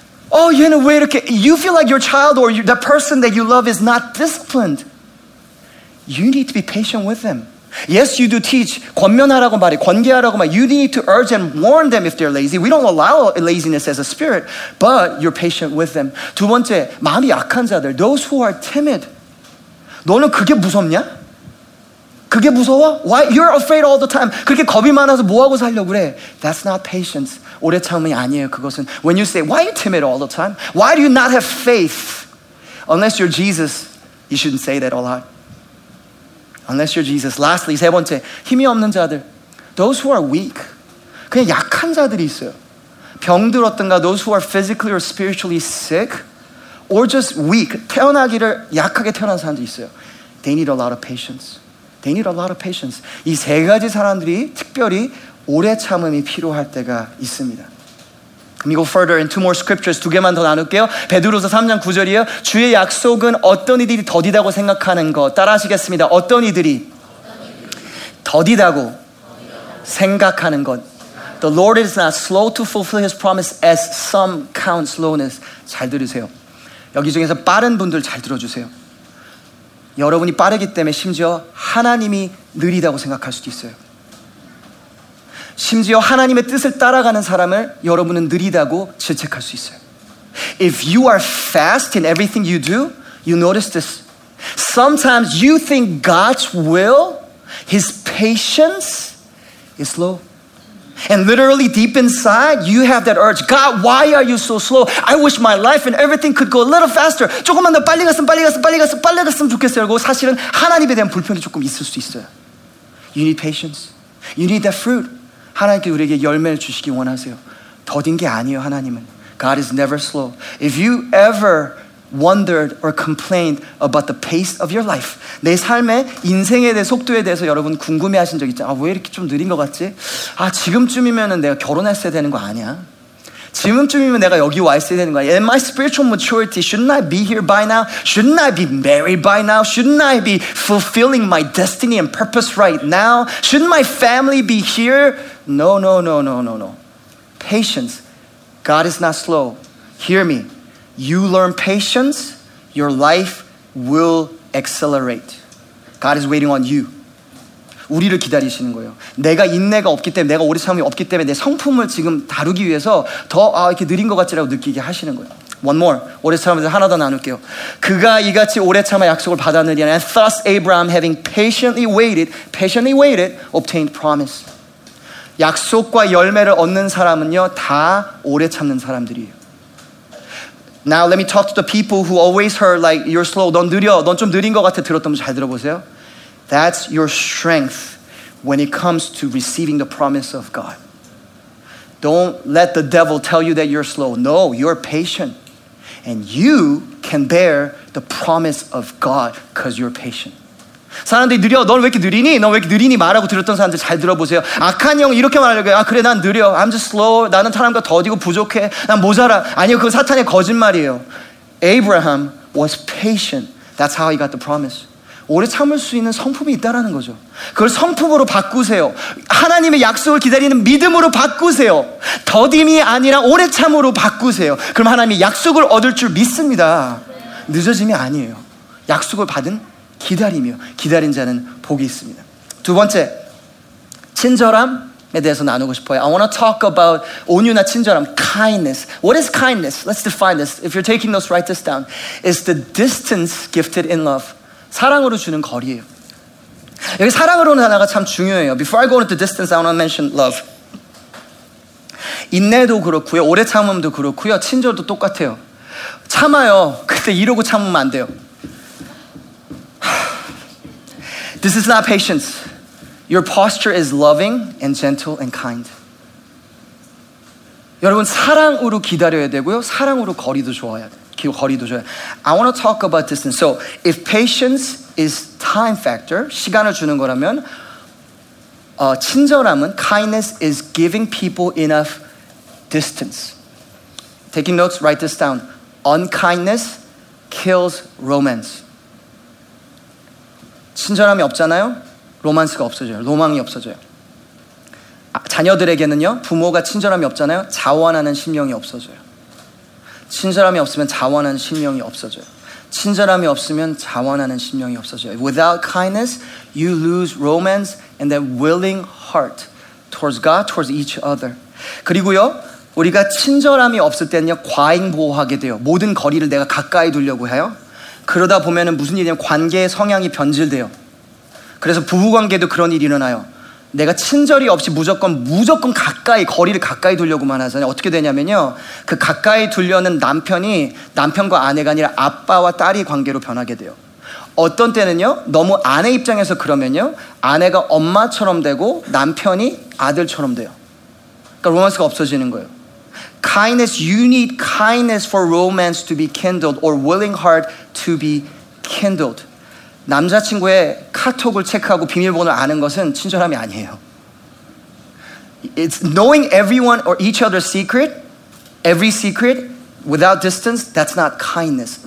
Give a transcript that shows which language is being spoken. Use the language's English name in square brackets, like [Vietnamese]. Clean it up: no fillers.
[English] Oh, [Korean] 얘는 왜 이렇게, [English] you feel like your child or the person that you love is not disciplined. You need to be patient with them. Yes, you do teach. [Korean] 권면하라고 말해, 권계하라고 말해. [English] You need to urge and warn them if they're lazy. We don't allow laziness as a spirit, but you're patient with them. [Korean] 두 번째, 마음이 약한 자들, [English] those who are timid. [Korean] 너는 그게 무섭냐? 그게 무서워? [English] Why? You're afraid all the time. [Korean] 그렇게 겁이 많아서 뭐하고 살려고 그래? [English] That's not patience. [Korean] 오래 참음이 아니에요, 그것은. [English] When you say, why are you timid all the time? Why do you not have faith? Unless you're Jesus, you shouldn't say that a lot. Unless you're Jesus. Lastly, [Korean] 세 번째, 힘이 없는 자들. [English] Those who are weak. [Korean] 그냥 약한 자들이 있어요. 병들었던가, [English] those who are physically or spiritually sick. Or just weak. [Korean] 태어나기를 약하게 태어난 사람도 있어요. [English] They need a lot of patience. They need a lot of patience. [Korean] 이 세 가지 사람들이 특별히 오래 참음이 필요할 때가 있습니다. [English] Let me go further in two more scriptures. [Korean] 두 개만 더 나눌게요. 베드로서 3장 9절이에요. 주의 약속은 어떤 이들이 더디다고 생각하는 것. 따라하시겠습니다. 어떤 이들이 더디다고 생각하는 것. [English] The Lord is not slow to fulfill his promise as some count slowness. [Korean] 잘 들으세요. 여기 중에서 빠른 분들 잘 들어주세요. 여러분이 빠르기 때문에 심지어 하나님이 느리다고 생각할 수도 있어요. 심지어 하나님의 뜻을 따라가는 사람을 여러분은 느리다고 질책할 수 있어요. [English] If you are fast in everything you do, you notice this. Sometimes you think God's will, his patience is slow. And literally deep inside, you have that urge. God, why are you so slow? I wish my life and everything could go a little faster. [Korean] 조금만 더 빨리 갔으면 빨리 갔으면 빨리 갔으면 빨리 갔으면 좋겠어요. 그리고 사실은 하나님에 대한 불편이 조금 있을 수 있어요. [English] You need patience. You need that fruit. [Korean] 하나님께 우리에게 열매를 주시기 원하세요. 더딘 게 아니에요, 하나님은. [English] God is never slow. If you ever wondered or complained about the pace of your life. [Korean] 내 삶의 인생에 대해 속도에 대해서 여러분 궁금해하신 적 있죠? 아, 왜 이렇게 좀 느린 것 같지? 아, 지금쯤이면은 내가 결혼했어야 되는 거 아니야? 지금쯤이면 내가 여기 와 있어야 되는 거야? [English] In my spiritual maturity, shouldn't I be here by now? Shouldn't I be married by now? Shouldn't I be fulfilling my destiny and purpose right now? Shouldn't my family be here? No, no, no, no, no, no. Patience. God is not slow. Hear me. You learn patience, your life will accelerate. God is waiting on you. [Korean] 우리를 기다리시는 거예요. 내가 인내가 없기 때문에, 내가 오래 참음이 없기 때문에 내 성품을 지금 다루기 위해서 더 아, 이렇게 느린 것 같지라고 느끼게 하시는 거예요. [English] One more. [Korean] 오래 참음에서 하나 더 나눌게요. 그가 이같이 오래 참아 약속을 받아들이니 [English] And thus Abraham having patiently waited, obtained promise. [Korean] 약속과 열매를 얻는 사람은요, 다 오래 참는 사람들이에요. [English] Now let me talk to the people who always heard like you're slow. [Korean] 넌 느려. 넌 좀 느린 것 같아. 들었던 분 잘 들어보세요. [English] That's your strength when it comes to receiving the promise of God. Don't let the devil tell you that you're slow. No, you're patient. And you can bear the promise of God because you're patient. [Korean] 사람들이 느려. 넌 왜 이렇게 느리니? 넌 왜 이렇게 느리니? 말하고 들었던 사람들 잘 들어보세요. 악한 영 이렇게 말하려고 해요. 아, 그래, 난 느려. [English] I'm just slow. [Korean] 나는 사람과 더디고 부족해. 난 모자라. 아니요, 그건 사탄의 거짓말이에요. [English] Abraham was patient. That's how he got the promise. [Korean] 오래 참을 수 있는 성품이 있다라는 거죠. 그걸 성품으로 바꾸세요. 하나님의 약속을 기다리는 믿음으로 바꾸세요. 더딤이 아니라 오래 참으로 바꾸세요. 그럼 하나님이 약속을 얻을 줄 믿습니다. 늦어짐이 아니에요. 약속을 받은 기다림이요. 기다린 자는 복이 있습니다. 두 번째, 친절함에 대해서 나누고 싶어요. [English] I want to talk about [Korean] 온유나 친절함, [English] kindness. What is kindness? Let's define this. If you're taking notes, write this down. It's the distance gifted in love. [Korean] 사랑으로 주는 거리예요. 여기 사랑으로는 단어가 참 중요해요. [English] Before I go into distance, I want to mention love. [Korean] 인내도 그렇고요. 오래 참음도 그렇고요. 친절도 똑같아요. 참아요. 근데 이러고 참으면 안 돼요. [English] This is not patience. Your posture is loving and gentle and kind. [Korean] 여러분 사랑으로 기다려야 되고요. 사랑으로 거리도 좋아야 돼요. 거리도 줘요. [English] I want to talk about distance. So if patience is time factor, [Korean] 시간을 주는 거라면 친절함은 [English] kindness is giving people enough distance. Taking notes, write this down. Unkindness kills romance. [Korean] 친절함이 없잖아요. 로맨스가 없어져요. 로망이 없어져요. 자녀들에게는요, 부모가 친절함이 없잖아요. 자원하는 심령이 없어져요. 친절함이 없으면 자원하는 심령이 없어져요. 친절함이 없으면 자원하는 심령이 없어져요. [English] Without kindness, you lose romance and that willing heart towards God, towards each other. [Korean] 그리고요, 우리가 친절함이 없을 때는요, 과잉 보호하게 돼요. 모든 거리를 내가 가까이 두려고 해요. 그러다 보면은 무슨 일이냐면 관계의 성향이 변질돼요. 그래서 부부관계도 그런 일이 일어나요. 내가 친절이 없이 무조건 가까이 거리를 가까이 두려고만 하잖아요. 어떻게 되냐면요, 그 가까이 두려는 남편이 남편과 아내가 아니라 아빠와 딸이 관계로 변하게 돼요. 어떤 때는요, 너무 아내 입장에서 그러면요, 아내가 엄마처럼 되고 남편이 아들처럼 돼요. 그러니까 로맨스가 없어지는 거예요. [English] Kindness, you need kindness for romance to be kindled or willing heart to be kindled. [Korean] 남자친구의 카톡을 체크하고 비밀번호를 아는 것은 친절함이 아니에요. [English] It's knowing everyone or each other's secret, every secret, without distance, that's not kindness.